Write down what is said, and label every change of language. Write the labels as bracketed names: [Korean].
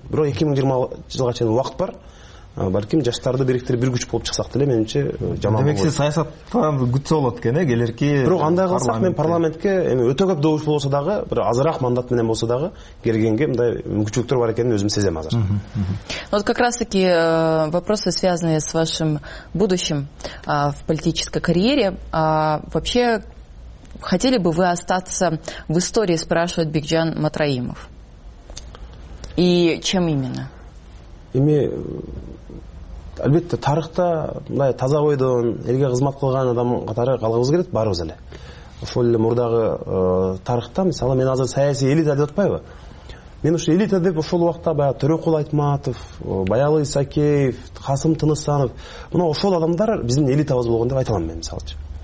[Kyrgyz] Бирок 2020 жылга чейин убакыт бар. Балким жаштарды бириктирип бир күч болуп чыксак деле менимче жаман болот. Демек сиз саясаттан күтсө болот экен, келерки. Бирок андай кылсак мен парламентке эми өтө көп добуш болсо дагы, бир азыраак мандат менен болсо дагы келгенге мындай мүмкүнчүлүктөр бар экенин өзүм сезем азыр. [Russian] Вот как раз-таки вопросы, связанные с вашим будущим в политической карьере, вообще хотели бы вы остаться в истории, спрашивает Бекжан Матраимов. И чем именно? [Kyrgyz] Эми албетте тарыхта мындай таза ойдон, элге кызмат кылган адам катары калгыбыз келет баарыбыз эле. Ошол эле мурдагы тарыхта мисалы мен азыр саясий элита деп атпайбы? Мен ушул элита деп ошол убакта баягы Төрөкул Айтматов, Баялы Исакеев, Касым Тынысанов, мына ошол адамдар биздин элитабыз болгон деп айта алам мен мисалычы.